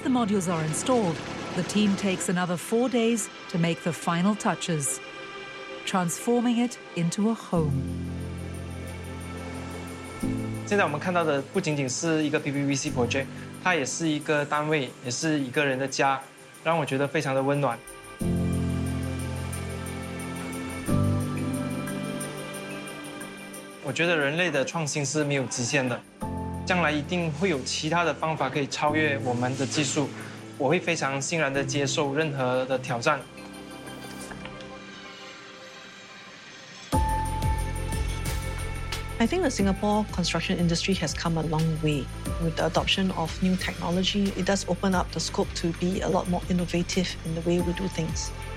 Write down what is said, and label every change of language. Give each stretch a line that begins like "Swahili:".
English: the modules are installed, the team takes another 4 days to make the final touches, transforming it into a home.
Chinese: 现在我们看到的不仅仅是一个 PPVC project, 它也是一个单位，也是一个人的家，让我觉得非常的温暖。我觉得人类的创新是没有极限的，将来一定会有其他的方法可以超越我们的技术。
English: I think the Singapore construction industry has come a long way. With the adoption of new technology, it does open up the scope to be a lot more innovative in the way we do things.